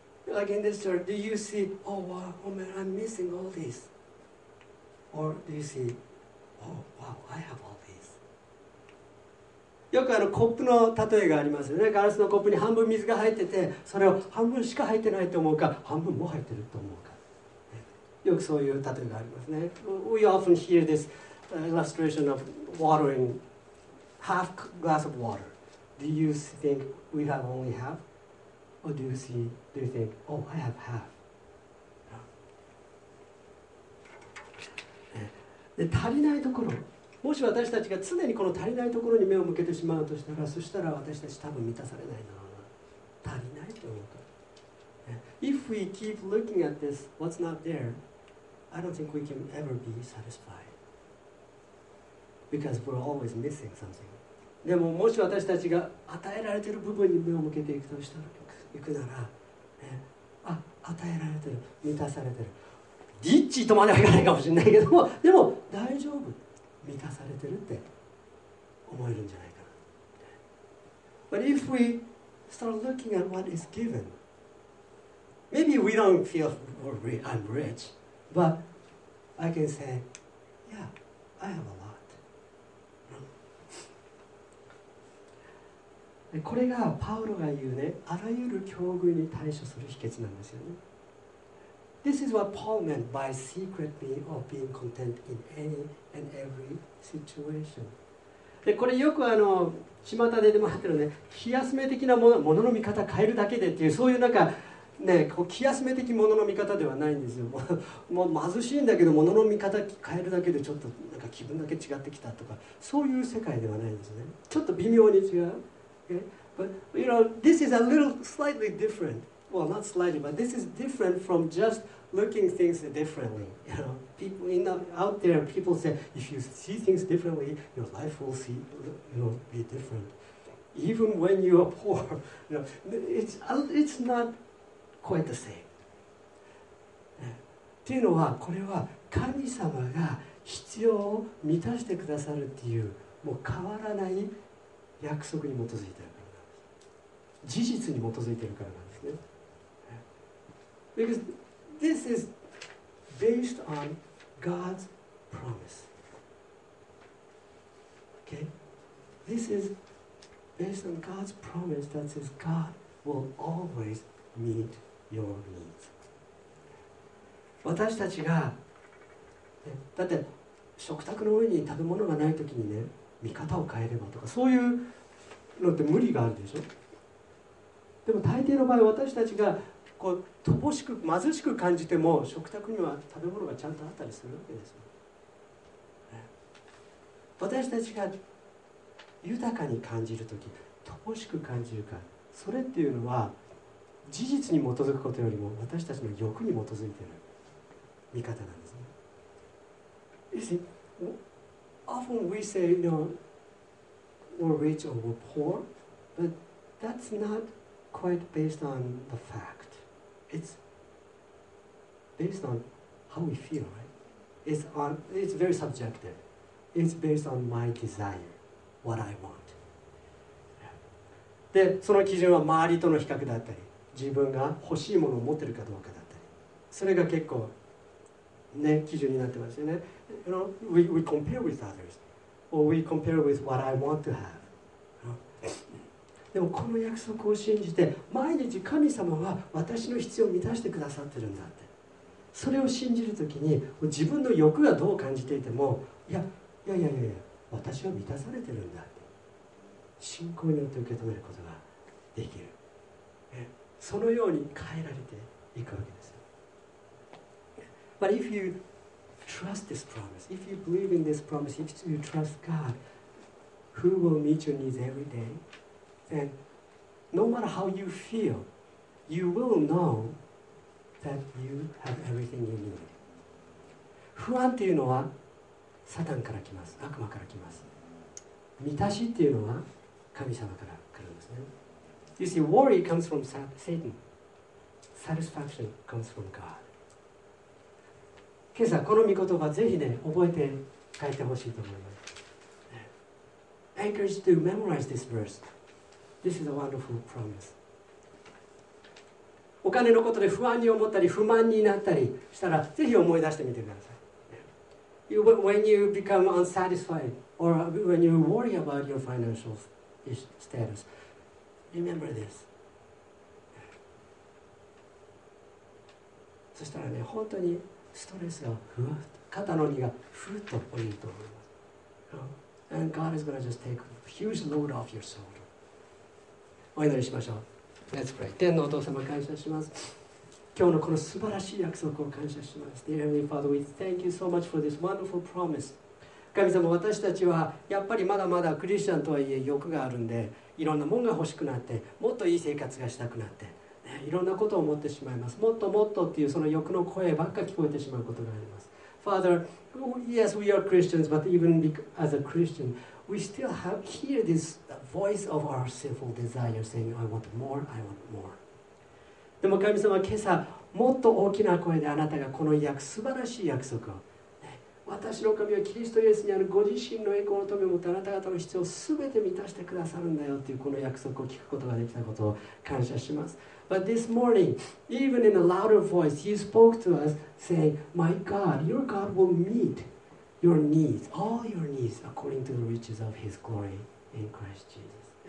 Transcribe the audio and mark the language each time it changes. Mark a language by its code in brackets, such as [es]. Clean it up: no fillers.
[en] Again, this chart, do you see, oh wow, oh man, I'm missing all this? Or do you see, oh wow, I have all this? [ja] よくあのコップの例えがありますよね。ガラスのコップに半分水が入ってて、それを半分しか入ってないと思うか、半分も入ってると思うか、ね、よくそういう例えがありますね。 [en] We often hear this illustration of watering half glass of water. Do you think we have only half? Or do you see, do you think, oh, I have half? [ja] で、足りないところ、もし私たちが常にこの足りないところに目を向けてしまうとしたら、そしたら私たち多分満たされないな、足りないと思うから。 [en] If we keep looking at this, what's not there, I don't think we can ever be satisfied. Because we're always missing something. [ja] でも、もし私たちが与えられている部分に目を向けていくとしたら、いくなら、ね、あ、与えられている、満たされている。リッチとまではいかないかもしれないけども、でも大丈夫。満たされてるって思えるんじゃないかな。 [en] But if we start looking at what is given, maybe we don't feel I'm rich, but I can say, yeah, I have a lot. [ja] これがパウロが言うね、あらゆる境遇に対処する秘訣なんですよね。 [en] This is what Paul meant by secret meaning of being content in anyAnd every situation. [ja] でこれよくあの巷で出回ってるね、気休め的なもの、ものの見方変えるだけでっていう、そういうなんかね、こう気休め的ものの見方ではないんですよ。もう貧しいんだけど、ものの見方変えるだけでちょっとなんか気分だけ違ってきたとか、そういう世界ではないんですね。ちょっと微妙に違う。 [en] Okay? But you know, this is a little slightly different. Well, not slightly, but this is different from just looking things differently. You know? People in the, out there, people say, if you see things differently, your life will see, you know, be different. Even when you are poor, you know, it's not quite the same. [ja] っていうのは、これは神様が必要を満たしてくださるっていう、もう変わらない約束に基づいているからなんです。事実に基づいているからなんですね。 [en] Because this is based onGod's promise. Okay? This is based on God's promise that says God will always meet your needs. [ja] 私たちが、ね、だって食卓の上に食べ物がないときにね、見方を変えればとか、そういうのって無理があるでしょ。でも大抵の場合、私たちがこう乏しく貧しく感じても、食卓には食べ物がちゃんとあったりするわけですよ、ね、私たちが豊かに感じるとき、乏しく感じるか、それっていうのは事実に基づくことよりも私たちの欲に基づいている見方なんですね。 [en] You see, often we say, you know, we're rich or we're poor, but that's not quite based on the fact. It's based on how we feel, right? It's very subjective. It's based on my desire, what I want. [ja] で、その基準は周りとの比較だったり、自分が欲しいものを持ってるかどうかだったり、それが結構ね、基準になってますよね。 [en] You know, we compare with others, or we compare with what I want to have. [ja] でもこの約束を信じて、毎日神様は私の必要を満たしてくださってるんだって、それを信じるときに、自分の欲がどう感じていても、いや、私は満たされてるんだって信仰によって受け止めることができる。そのように変えられていくわけです。 [en] But if you trust this promise, if you believe in this promise, if you trust God, who will meet your needs every day, then no matter how you feel, you will know that you have everything you need. [ja] 不安というのはサタンから来ます。悪魔から来ます。満たしというのは神様から来るんですね。 [en] You see, worry comes from Satan. Satisfaction comes from God. [ja] 今朝この御言葉ぜひね、覚えて書いてほしいと思います。 [en] I encourage you to memorize this verse. This is a wonderful promise. [ja] お金のことで不安に思ったり不満になったりしたらぜひ思い出してみてください。 [en] When you become unsatisfied or when you worry about your financial status, remember this. [ja] そしたらね、本当にストレスがふわっと、肩の荷がふっと降りると思います。 [en] And God is going to just take a huge load off your soul. [ja] お祈りしましょう。 [en] Let's pray. [ja] 天のお父様、感謝します。今日のこの素晴らしい約束を感謝します。 [en] Dear Heavenly Father, we thank you so much for this wonderful promise. [ja] 神様、私たちはやっぱりまだまだクリスチャンとはいえ欲があるんで、いろんなものが欲しくなって、もっといい生活がしたくなって、ね、いろんなことを思ってしまいます。もっともっとっていうその欲の声ばっか聞こえてしまうことがあります。 [en] Father, yes, we are Christians, but even as a Christian, we still have hear this voice of our sinful desire saying, I want more, I want more. [ja] でも神様、今朝もっと大きな声であなたがこの約素晴らしい約束を、ね、私の神はキリストイエスにあるご自身の栄光のためをもってあなた方の必要を全て満たしてくださるんだよというこの約束を聞くことができたことを感謝します。 [en] But this morning, even in a louder voice, you spoke to us saying, My God, your God will meet your needs, all your needs according to the riches of his glory in Christ Jesus.